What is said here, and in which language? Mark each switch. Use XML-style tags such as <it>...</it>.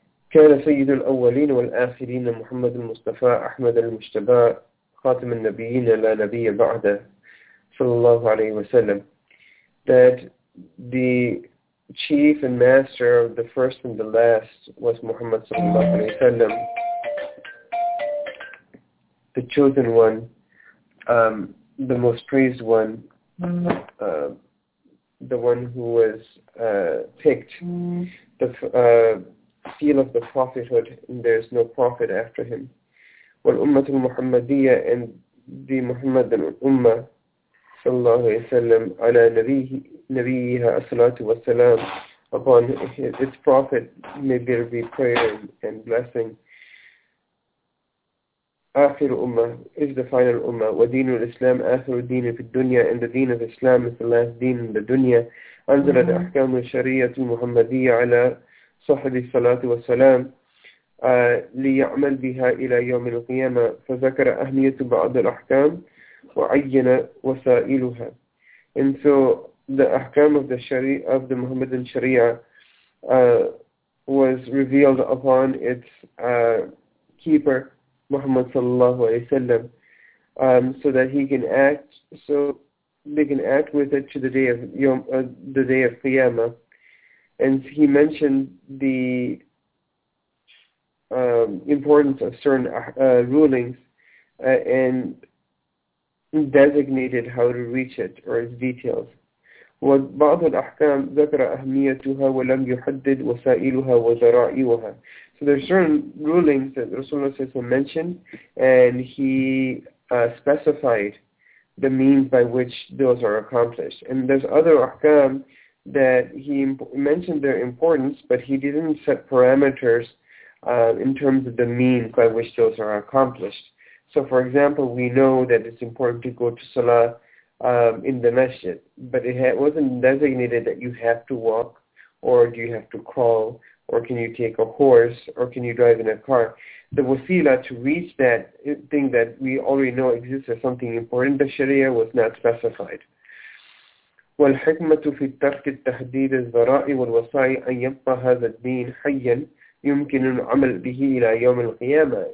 <ar>كان سيد الأولين والآخرين محمد المصطفى أحمد المجتبى خاتم النبيين لا نبي بعده صلى الله عليه وسلم.</ar> <en>That the chief and master of the first and the last was Muhammad</en> <ar>صلى الله عليه وسلم,</ar> <en>the chosen one, the most praised one, the one who was picked, the seal of the prophethood, and there is no prophet after him.</en> <ar>وَالْأُمَّةُ الْمُحَمَّدِيَّةِ</ar> <en>and the Muhammadan Ummah</en> <ar>صلى الله عليه وسلم على نبيها الصلاة والسلام</ar> <en>upon its prophet may there be prayer and blessing. آخر Ummah is the final Ummah.</en> <ar>وَدِينُ الْإِسْلَامِ آخر دِينِ فِي الدُّنْيَا</ar> <en>and the deen of Islam is the last deen in the dunya.</en> <ar>أنزلت أحكام الشريعة المحمدية على صحب الصلاة والسلام ليعمل بها إلى يوم القيامة فذكر أهمية بعض الأحكام وعين وسائلها.</ar> <en>And so the ahkam of the sharia of the Muhammadan sharia was revealed upon its keeper Muhammad sallallahu alayhi wa sallam, so that he can act, so they can act with it to the day of the day of qiyama. And he mentioned the importance of certain rulings and designated how to reach it or its details.</en> <ar>وبعض الأحكام ذكر أهميتها ولم يحدد وسائلها وذرائعها.</ar> <en>So there are certain rulings that Rasulullah says he mentioned, and he specified the means by which those are accomplished. And there's other أحكام that he mentioned their importance, but he didn't set parameters in terms of the means by which those are accomplished. So for example, we know that it's important to go to Salah in the masjid, but it wasn't designated that you have to walk, or do you have to crawl, or can you take a horse, or can you drive in a car. The wasila to reach that thing that we already know exists as something important, the sharia was not specified.</en> <ar>والحكمة في ترك التحديد الذرائع والوصايا أن يبقى هذا الدين حيا يمكن العمل به إلى يوم القيامة.</ar>